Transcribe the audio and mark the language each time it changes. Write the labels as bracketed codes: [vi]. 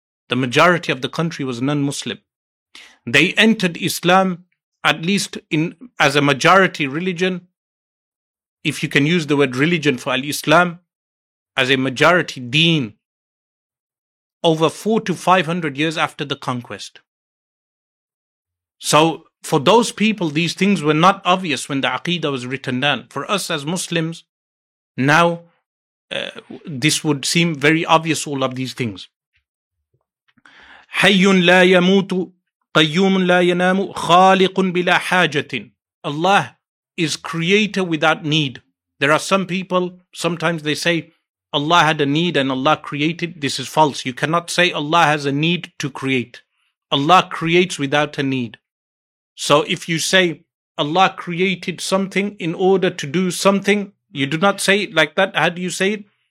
[en] The majority of the country was non-Muslim. They entered Islam, at least in as a majority religion, if you can use the word religion for al-Islam, as a majority deen, over 400 to 500 years after the conquest. So for those people, these things were not obvious when the Aqidah was written down. For us as Muslims, now this would seem very obvious, all of these things. [ar] حَيٌّ لَا يَمُوتُ قيوم لا ينام خالق بلا حاجة. [en] Allah is creator without need. There are some people, sometimes they say Allah had a need and Allah created. This is false. You cannot say Allah has a need to create. Allah creates without a need. So if you say Allah created something in order to do something, you do not say it like that. How do you say it?